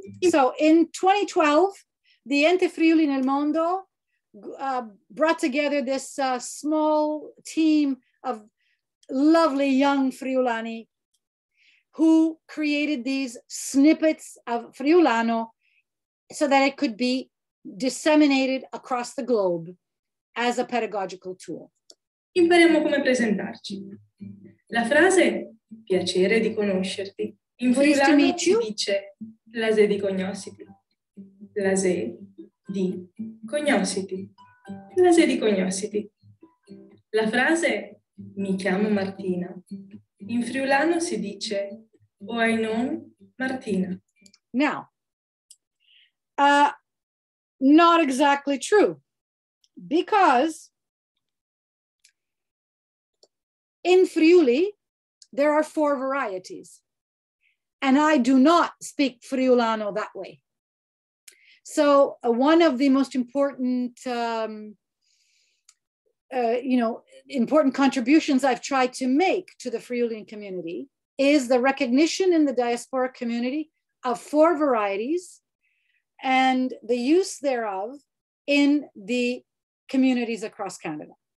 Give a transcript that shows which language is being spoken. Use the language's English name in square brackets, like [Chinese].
[English] So in 2012, the Ente Friuli nel Mondo brought together this small team of lovely young Friulani who created these snippets of Friulano so that it could be disseminated across the globe as a pedagogical tool. [Italian] Impariamo come presentarci. La frase piacere di conoscerti in Friulano si dice [Friulian] Lase di cognositi, lase di cognositi, [Italian] lase di cognositi. La frase mi chiamo Martina, in Friulano si dice [Friulian] o ai non Martina. [English] Now, not exactly true, because in Friuli there are four varieties. And I do not speak Friulano that way. So one of the most important, important contributions I've tried to make to the Friulian community is the recognition in the diaspora community of four varieties and the use thereof in the communities across Canada.